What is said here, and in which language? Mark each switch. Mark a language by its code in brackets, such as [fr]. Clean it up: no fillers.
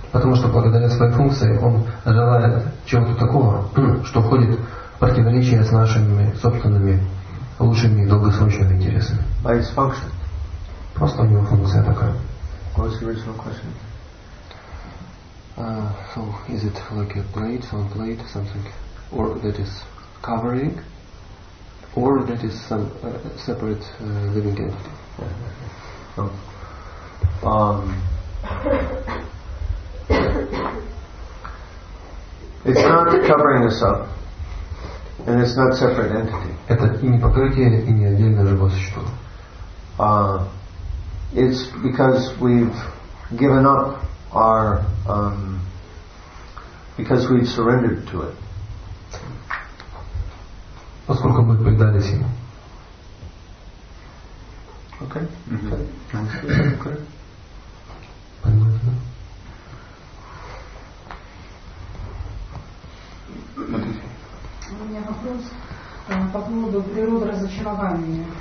[ru] Потому что благодаря своей функции он желает чего-то такого, что входит в противоречие с нашими собственными лучшими и долгосрочными интересами. [en] By its function. [ru] Просто у него функция такая. [en] What was the original question? So is it like a plate, some plate, something, or that is covering, or that is some separate living entity? It's not covering us up, and it's not separate entity. [ru] Это и не покрытие, и не отдельное живое существо. [en] It's because we've given up our because we've surrendered to it. [ru] Поскольку мы предались ему. [en] Okay. [ru] У меня вопрос по поводу природы разочарования.